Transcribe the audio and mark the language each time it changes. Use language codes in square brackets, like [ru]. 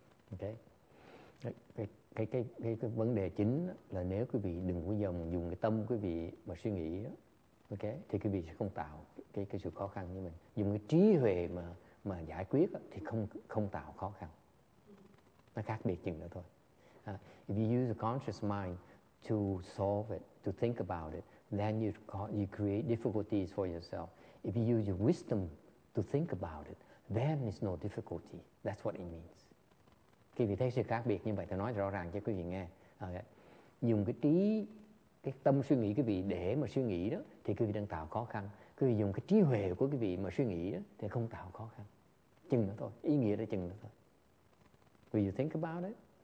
[vi] Okay. Cái vấn đề chính là nếu quý vị đừng có dùng cái tâm quý vị mà suy nghĩ, okay, thì quý vị sẽ không tạo cái sự khó khăn như mình. Dùng cái trí huệ mà giải quyết thì không tạo khó khăn. Nó khác biệt chừng đó thôi. [en] If you use a conscious mind to solve it, to think about it, then you create difficulties for yourself. If you use your wisdom to think about it, then it's no difficulty. That's what it means. [vi] Khi vị thấy sự khác biệt như vậy, tôi nói rõ ràng cho quý vị nghe. Okay. Dùng cái tâm suy nghĩ quý vị để mà suy nghĩ đó, thì quý vị đang tạo khó khăn. Quý vị dùng cái trí huệ của quý vị mà suy nghĩ đó, thì không tạo khó khăn. Chừng đó thôi. Ý nghĩa là chừng đó thôi. [en] Will you think about it?